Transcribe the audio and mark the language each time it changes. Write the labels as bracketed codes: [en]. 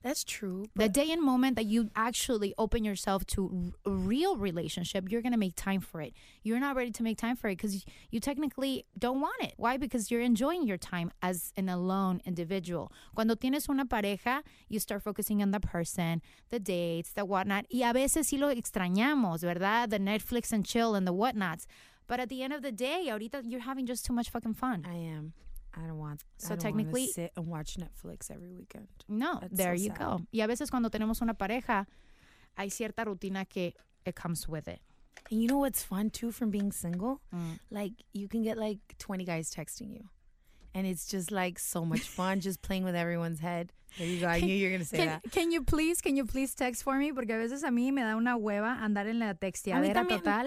[en] That's true. The day and moment that you actually open yourself to a real relationship, you're going to make time for it. You're not ready to make time for it because you technically don't want it. Why? Because you're enjoying your time as an alone individual. [es] Cuando tienes una pareja, [en] you start focusing on the person, the dates, the whatnot. [es] Y a veces sí lo extrañamos, ¿verdad? [en] The Netflix and chill and the whatnots. But at the end of the day, ahorita you're having just too much fucking fun. I am. I don't want so I don't technically want to sit and watch Netflix every weekend. No, that's there so you sad. Go. [es] Y a veces cuando tenemos una pareja, hay cierta rutina que [en] it comes with it. And you know what's fun too from being single? Like you can get like 20 guys texting you. And it's just like so much fun just playing with everyone's head. There you go. I knew you were going to say that. Can you please text for me? [es] Porque a veces a mí me da una hueva andar en la texteadera total.